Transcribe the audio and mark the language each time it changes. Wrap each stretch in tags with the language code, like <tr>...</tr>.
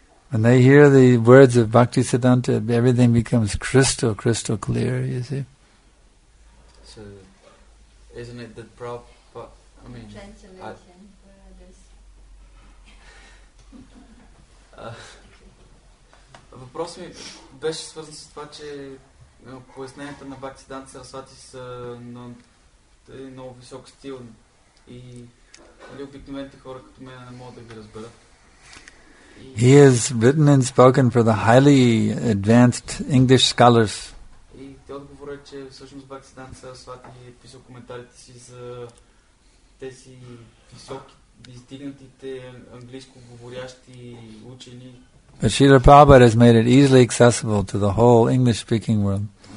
<en>When they hear the words of Bhakti Siddhanta, everything becomes crystal, crystal clear, you see. So, isn't it the Prabhupada? I mean, translation for others.</en> <bg>Въпрос ми беше свързан с това, че поясненията на Бхакти Сиддханта Сарасвати са на един много висок стил и нали, обикновените хора като мен не могат да ги разберат.</bg> <en>He is written and spoken for the highly advanced English scholars.</en> <bg>И те отговорят, че всъщност Бхакти Сиддханта Сарасвати е писал коментарите си за тези високи, издигнатите английско говорящи учени.</bg> <en>But Srila Prabhupada has made it easily accessible to the whole English-speaking world.</en>